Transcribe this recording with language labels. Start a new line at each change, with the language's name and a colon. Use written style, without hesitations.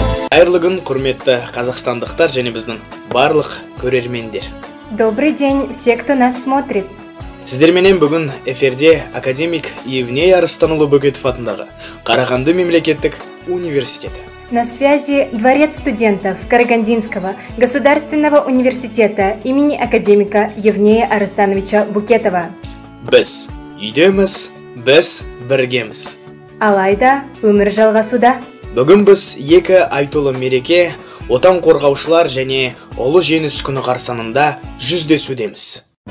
Kazakh: Қайырлы күн, құрметті қазақстандықтар және біздің барлық көрермендер.
Russian: Добрый день, все, кто нас смотрит.
Kazakh: Сіздерменен бүгін эфирде академик Евней Арыстанұлы Бөкетов атындағы Қарағанды мемлекеттік университеті.
Russian: На связи Дворец студентов Карагандинского государственного университета имени академика Евнея Арыстановича Бөкетова.
Kazakh: Біз үйдеміз, біз біргеміз. Алайда өмір жалғасуда. Бүгін біз екі айтулы мереке, отан қорғаушылар және ұлы жеңіс күні қарсаңында жүздесудеміз.